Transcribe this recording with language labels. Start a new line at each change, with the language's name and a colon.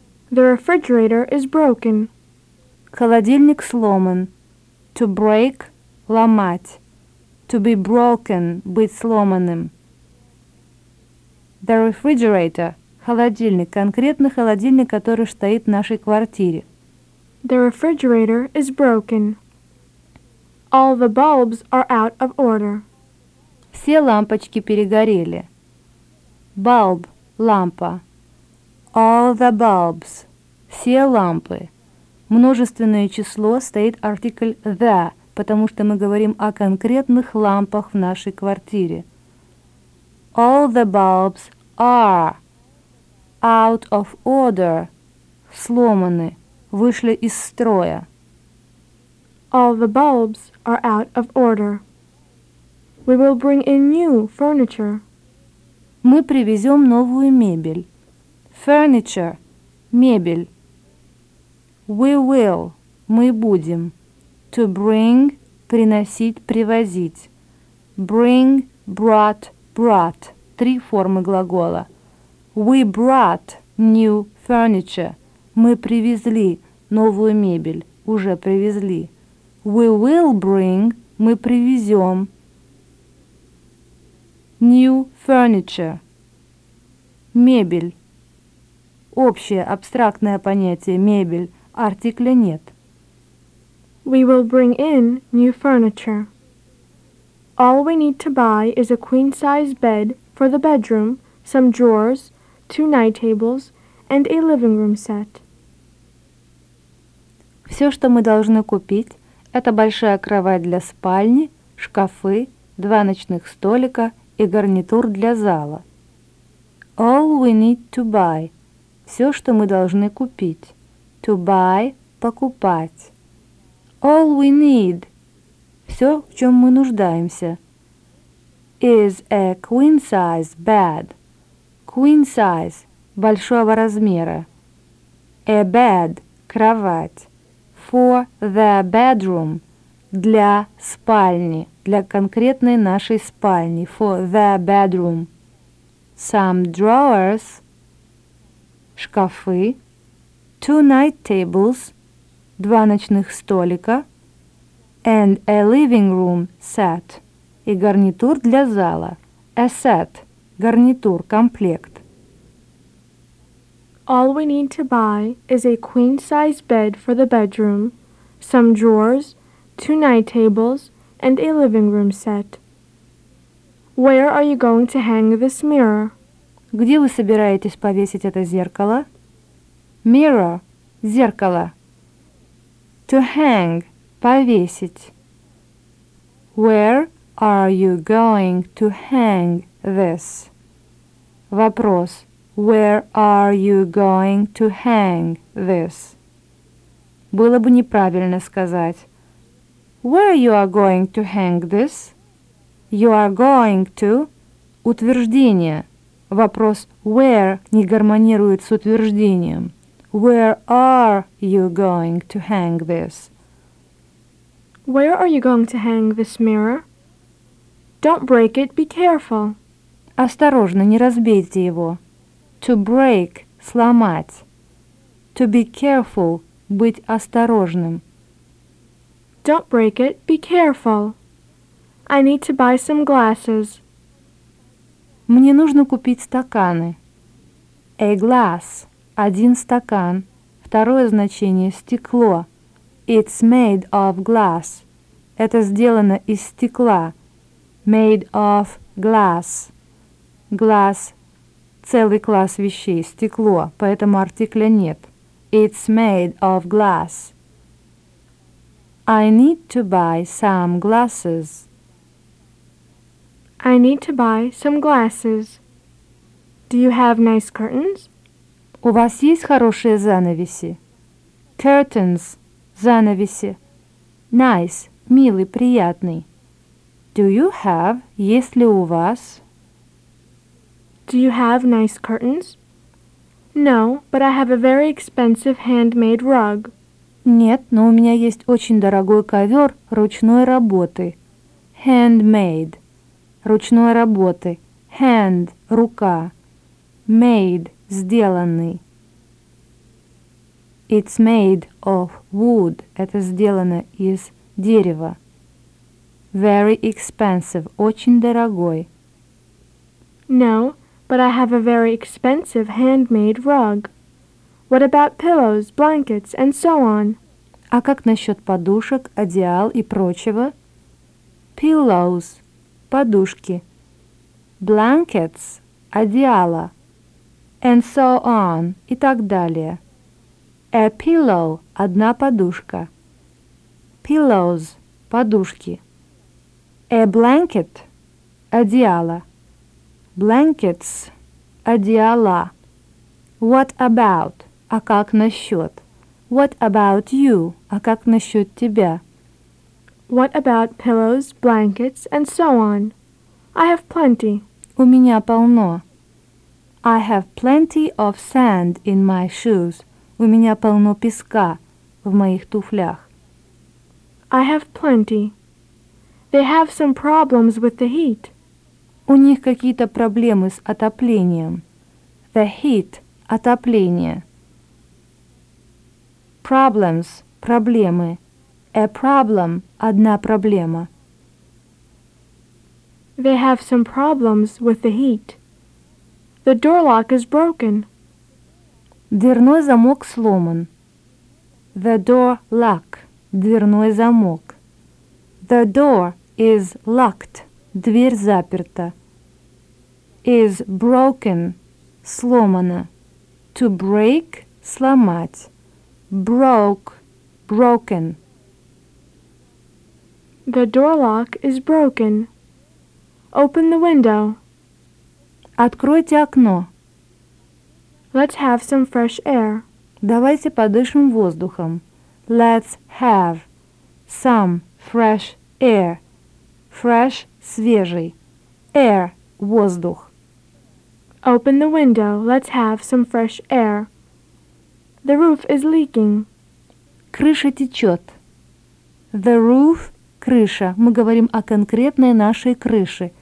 English: The refrigerator is broken.
Russian: Холодильник сломан.
English: To break –
Russian: ломать.
English: To be broken –
Russian: быть сломанным.
English: The refrigerator
Russian: – холодильник, конкретно холодильник, который стоит в нашей квартире.
English: The refrigerator is broken. All the bulbs are out of order.
Russian: Все лампочки перегорели.
English: Bulb – лампа. All the bulbs –
Russian: все лампы. Множественное число стоит артикль the, потому что мы говорим о конкретных лампах в нашей квартире.
English: All the bulbs are out of order –
Russian: сломаны, вышли из строя.
English: All the bulbs are out of order. We will bring in new furniture.
Russian: Мы привезем новую мебель.
English: Furniture – мебель. We will –
Russian: мы будем.
English: To bring
Russian: – приносить, привозить.
English: Bring – brought – brought
Russian: – три формы глагола.
English: We brought new furniture.
Russian: Мы привезли новую мебель. Уже привезли.
English: We will bring.
Russian: Мы привезем.
English: New furniture. Мебель.
Russian: Общее абстрактное понятие мебель. Артикля нет.
English: We will bring in new furniture. All we need to buy is a queen-size bed for the bedroom, some drawers, two night tables, and a living room set.
Russian: Все, что мы должны купить, это большая кровать для спальни, шкафы, два ночных столика и гарнитур для зала.
English: All we need to buy.
Russian: Все, что мы должны купить.
English: To buy – покупать. All we need.
Russian: Все, в чем мы нуждаемся.
English: Is a queen-size bed. Queen size –
Russian: большого размера.
English: A bed – кровать. For the bedroom
Russian: – для спальни, для конкретной нашей спальни.
English: For the bedroom. Some drawers – шкафы. Two night tables –
Russian: два ночных столика.
English: And a living room set –
Russian: и гарнитур для зала.
English: A set –
Russian: гарнитур, комплект.
English: All we need to buy is a queen-size bed for the bedroom, some drawers, two night tables, and a living room set. Where are you going to hang this mirror?
Russian: Где вы собираетесь повесить это зеркало?
English: Mirror – зеркало. To hang – повесить. Where are you going to hang this?
Russian: Вопрос.
English: Where are you going to hang this?
Russian: Было бы неправильно сказать.
English: Where you are going to hang this? You are going to... Утверждение.
Russian: Вопрос where не гармонирует с утверждением.
English: Where are you going to hang this? Where are you going to hang this mirror? Don't break it, be careful.
Russian: Осторожно, не разбейте его.
English: To break,
Russian: сломать.
English: To be careful,
Russian: быть осторожным.
English: Don't break it, be careful. I need to buy some glasses.
Russian: Мне нужно купить стаканы.
English: A glass.
Russian: Один стакан. Второе значение – стекло.
English: It's made of glass.
Russian: Это сделано из стекла.
English: Made of glass.
Russian: Glass – целый класс вещей, стекло, поэтому артикля нет.
English: It's made of glass. I need to buy some glasses. I need to buy some glasses. Do you have nice curtains?
Russian: У вас есть хорошие занавеси?
English: Curtains – занавеси. Nice
Russian: – милый, приятный.
English: Do you have
Russian: – есть ли у вас?
English: Do you have nice curtains? No, but I have a very expensive handmade rug.
Russian: Нет, но у меня есть очень дорогой ковер ручной работы.
English: Handmade.
Russian: Ручной работы.
English: Hand
Russian: – рука.
English: Made – сделанный. It's made of wood.
Russian: Это сделано из дерева.
English: Very expensive.
Russian: Очень дорогой.
English: No, but I have a very expensive handmade rug. What about pillows, blankets, and so on?
Russian: А как насчет подушек, одеял и прочего?
English: Pillows.
Russian: Подушки.
English: Blankets.
Russian: Одеяло.
English: And so on.
Russian: И так далее.
English: A pillow.
Russian: Одна подушка.
English: Pillows.
Russian: Подушки.
English: A blanket.
Russian: Одеяло.
English: Blankets.
Russian: Одеяла.
English: What about?
Russian: А как насчет?
English: What about you?
Russian: А как насчет тебя?
English: What about pillows, blankets, and so on? I have plenty.
Russian: У меня полно.
English: I have plenty of sand in my shoes.
Russian: У меня полно песка в моих туфлях.
English: I have plenty. They have some problems with the heat.
Russian: У них какие-то проблемы с отоплением.
English: The heat – отопление. Problems – проблемы. A problem –
Russian: одна проблема.
English: They have some problems with the heat. The door lock is broken.
Russian: Дверной замок сломан.
English: The door lock –
Russian: дверной замок.
English: The door is locked –
Russian: дверь заперта.
English: Is broken – сломана. To break – сломать. Broke – broken. The door lock is broken. Open the window.
Russian: Откройте окно.
English: Let's have some fresh air.
Russian: Давайте подышим воздухом.
English: Let's have some fresh air. Fresh – свежий. Air – воздух. Open the window. Let's have some fresh air. The roof is leaking.
Russian: Крыша течет.
English: The roof – крыша.
Russian: Мы говорим о конкретной нашей крыше.